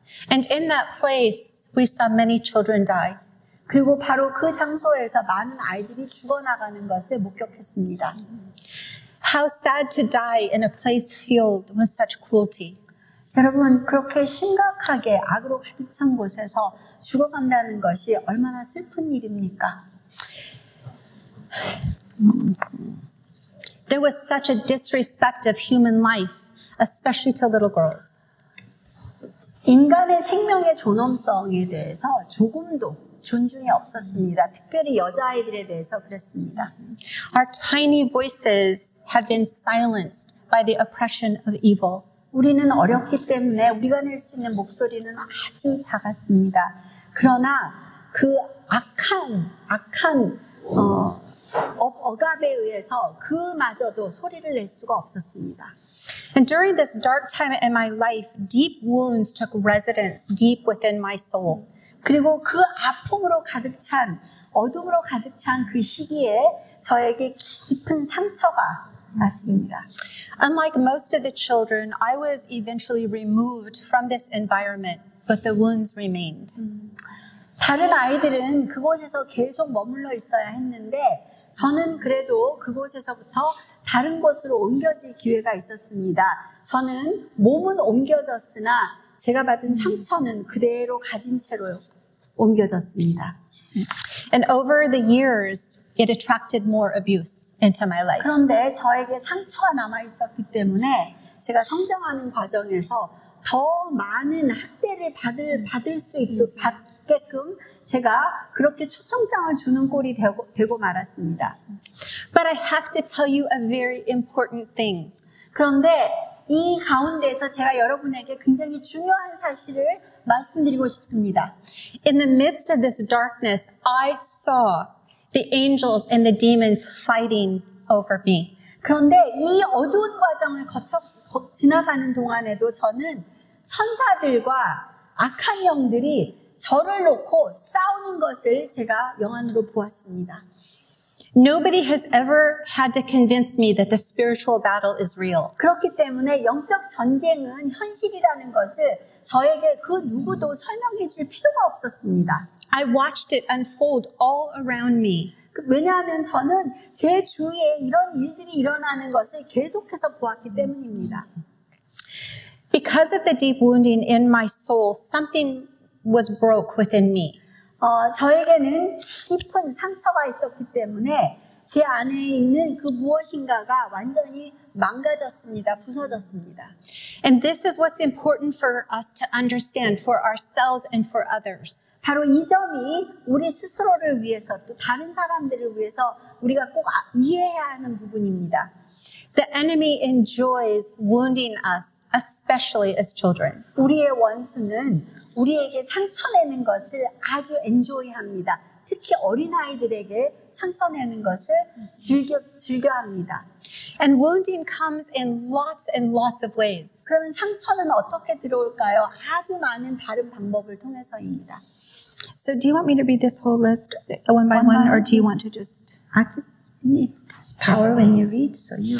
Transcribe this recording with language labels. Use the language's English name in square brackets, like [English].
[English] And in that place, we saw many children die. [Korean] 그리고 바로 그 장소에서 많은 아이들이 죽어나가는 것을 목격했습니다. [English] How sad to die in a place filled with such cruelty. [Korean] 여러분, 그렇게 심각하게 악으로 가득 찬 곳에서 죽어간다는 것이 얼마나 슬픈 일입니까? [English] There was such a disrespect of human life, especially to little girls. [Korean] 인간의 생명의 존엄성에 대해서 조금도 존중이 없었습니다. 특별히 여자아이들에 대해서 그랬습니다. [English] Our tiny voices have been silenced by the oppression of evil. [Korean] 우리는 어렵기 때문에 우리가 낼 수 있는 목소리는 아주 작았습니다. 그러나 그 악한 억압에 의해서 그마저도 소리를 낼 수가 없었습니다. [English] And during this dark time in my life, deep wounds took residence deep within my soul. [Korean] 그리고 그 아픔으로 가득 찬, 어둠으로 가득 찬 그 시기에 저에게 깊은 상처가 났습니다. [English] Unlike most of the children, I was eventually removed from this environment, but the wounds remained. [Korean] 다른 아이들은 그곳에서 계속 머물러 있어야 했는데 저는 그래도 그곳에서부터 다른 곳으로 옮겨질 기회가 있었습니다. 저는 몸은 옮겨졌으나 제가 받은 상처는 그대로 가진 채로 옮겨졌습니다. [English] And over the years, it attracted more abuse into my life. [Korean] 그런데 저에게 상처가 남아 있었기 때문에 제가 성장하는 과정에서 더 많은 학대를 받게끔 제가 그렇게 초청장을 주는 꼴이 되고 말았습니다. [English] But I have to tell you a very important thing. [Korean] 그런데 이 가운데서 제가 여러분에게 굉장히 중요한 사실을 말씀드리고 싶습니다. [English] In the midst of this darkness, I saw the angels and the demons fighting over me. [Korean] 그런데 이 어두운 과정을 거쳐 지나가는 동안에도 저는 천사들과 악한 영들이 저를 놓고 싸우는 것을 제가 영안으로 보았습니다. [English] Nobody has ever had to convince me that the spiritual battle is real. [Korean] 그렇기 때문에 영적 전쟁은 현실이라는 것을 저에게 그 누구도 설명해 줄 필요가 없었습니다. [English] I watched it unfold all around me. [Korean] 왜냐하면 저는 제 주위에 이런 일들이 일어나는 것을 계속해서 보았기 때문입니다. [English] Because of the deep wounding in my soul, something was broke within me. [Korean] 저에게는 깊은 상처가 있었기 때문에 제 안에 있는 그 무엇인가가 완전히 망가졌습니다. 부서졌습니다. [English] And this is what's important for us to understand for ourselves and for others. [Korean] 바로 이 점이 우리 스스로를 위해서 또 다른 사람들을 위해서 우리가 꼭 이해해야 하는 부분입니다. [English] The enemy enjoys wounding us, especially as children. [Korean] 우리의 원수는 우리에게 상처내는 것을 아주 엔조이합니다. 특히 어린아이들에게 상처내는 것을 즐겨합니다. [English] And wounding comes in lots and lots of ways. [Korean] 그러면 상처는 어떻게 들어올까요? 아주 많은 다른 방법을 통해서입니다. [English] So do you want me to read this whole list one by one, or do you want to just... It's power when you read, so you...